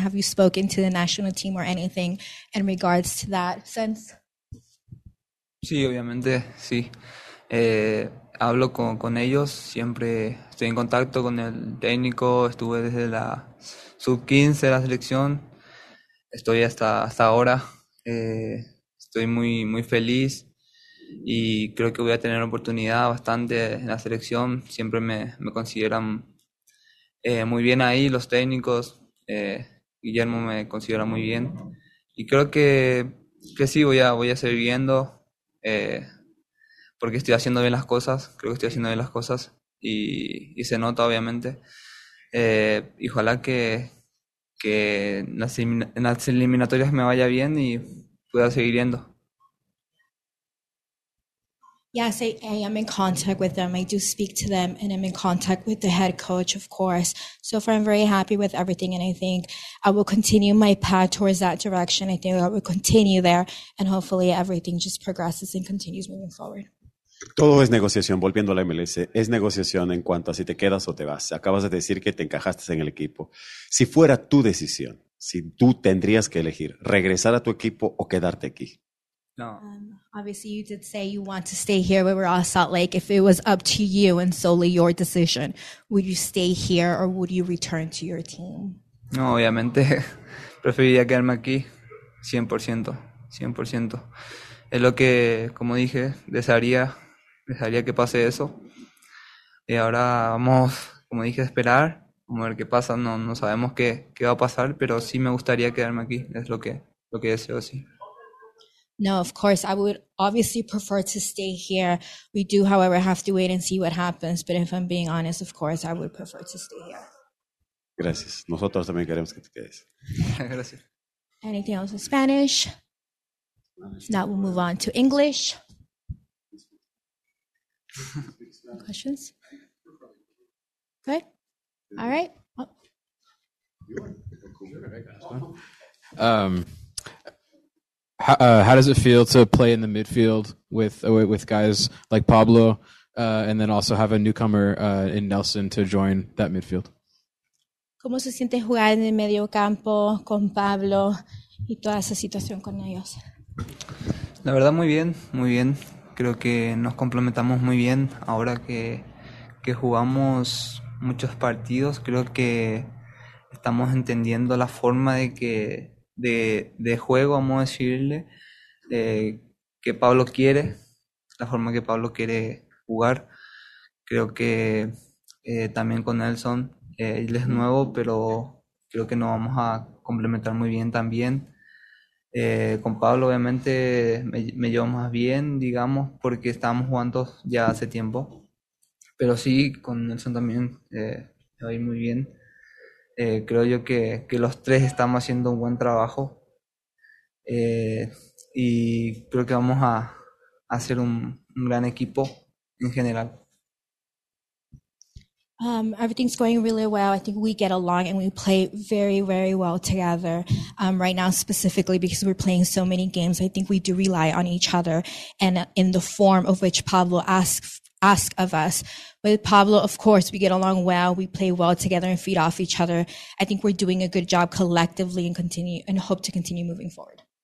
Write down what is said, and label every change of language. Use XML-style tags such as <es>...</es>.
<en>Have you spoken to the national team or anything in regards to that since?</en> <es>Sí, obviamente, sí. Hablo con ellos, siempre estoy en contacto con el técnico, estuve desde la sub-15 de la selección, estoy hasta ahora, estoy muy, muy feliz y creo que voy a tener oportunidad bastante en la selección, siempre me consideran muy bien ahí los técnicos, Guillermo me considera muy bien y creo que sí, voy a seguir viendo. Porque estoy haciendo bien las cosas, creo que estoy haciendo bien las cosas y se nota obviamente. Y ojalá que en las eliminatorias me vaya bien y pueda seguir yendo.</es> <en>Yes, I am in contact with them. I do speak to them, and I'm in contact with the head coach, of course. So far, I'm very happy with everything, and I think I will continue my path towards that direction. I think I will continue there, and hopefully everything just progresses and continues moving forward.</en> <es>Todo es negociación, volviendo a la MLS, es negociación en cuanto a si te quedas o te vas. Acabas de decir que te encajaste en el equipo. Si fuera tu decisión, si tú tendrías que elegir regresar a tu equipo o quedarte aquí. No.</es> <en>Obviously, you did say you want to stay here where we're all Salt Lake. If it was up to you and solely your decision, would you stay here or would you return to your team?</en> <es>No, obviamente, preferiría quedarme aquí 100%, 100%. Es lo que, como dije, desearía que pase eso. Y ahora vamos, como dije, a esperar, vamos a ver qué pasa. No sabemos qué va a pasar, pero sí me gustaría quedarme aquí. Es lo que deseo, sí.</es> <en>No, of course, I would obviously prefer to stay here. We do, however, have to wait and see what happens. But if I'm being honest, of course, I would prefer to stay here.</en> <es>Gracias. Nosotros también queremos que te quedes. Gracias.</es> <en>Anything else in Spanish? Now we'll move on to English. Questions? Good? All right. How does it feel to play in the midfield with guys like Pablo, and then also have a newcomer in Nelson to join that midfield?</en> <es>¿Cómo se siente jugar en el medio campo con Pablo y toda esa situación con ellos? La verdad, muy bien, muy bien. Creo que nos complementamos muy bien. Ahora que jugamos muchos partidos, creo que estamos entendiendo la forma de juego, vamos a decirle, que Pablo quiere, la forma que Pablo quiere jugar. Creo que también con Nelson, él es nuevo, pero creo que nos vamos a complementar muy bien también. Con Pablo obviamente me llevo más bien, digamos, porque estábamos jugando ya hace tiempo. Pero sí, con Nelson también me va a ir muy bien. Creo yo que los tres estamos haciendo un buen trabajo. Y creo que vamos a hacer un gran equipo en general.</es> <en>Everything's going really well. I think we get along and we play very, very well together right now, specifically because we're playing so many games. I think we do rely on each other and in the form of which Pablo asks of us. With Pablo, of course, we get along well. We play well together and feed off each other. I think we're doing a good job collectively and hope to continue moving forward.</en>